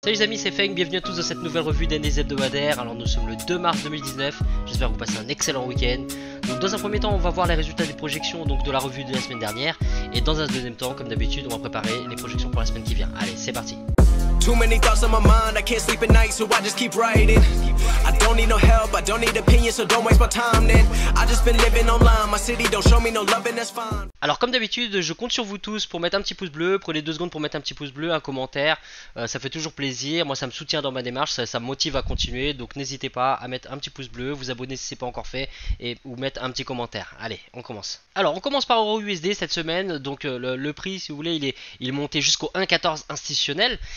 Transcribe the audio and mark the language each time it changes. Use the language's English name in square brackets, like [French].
[French] Salut les amis, c'est Feng, bienvenue à tous dans cette nouvelle revue d'Indes hebdomadaire. Alors nous sommes le 2 mars 2019, j'espère que vous passez un excellent week-end. Donc dans un premier temps, on va voir les résultats des projections donc de la revue de la semaine dernière. Et dans un deuxième temps, comme d'habitude, on va préparer les projections pour la semaine qui vient. Allez, c'est parti. [English] Too many thoughts on my mind, I can't sleep at night, so I just keep writing. I don't need no help, I don't need opinions, so don't waste my time then. I just been living online, my city don't show me no love and that's fine. [French] Alors comme d'habitude, je compte sur vous tous pour mettre un petit pouce bleu. Prenez 2 secondes pour mettre un petit pouce bleu, un commentaire. Ça fait toujours plaisir. Moi, ça me soutient dans ma démarche, ça me motive à continuer. Donc n'hésitez pas à mettre un petit pouce bleu, vous abonner si ce n'est pas encore fait, et ou mettre un petit commentaire. Allez, on commence. Alors on commence par EURUSD cette semaine. Donc le prix, si vous voulez, il est monté jusqu'au 1,14 institutionnel.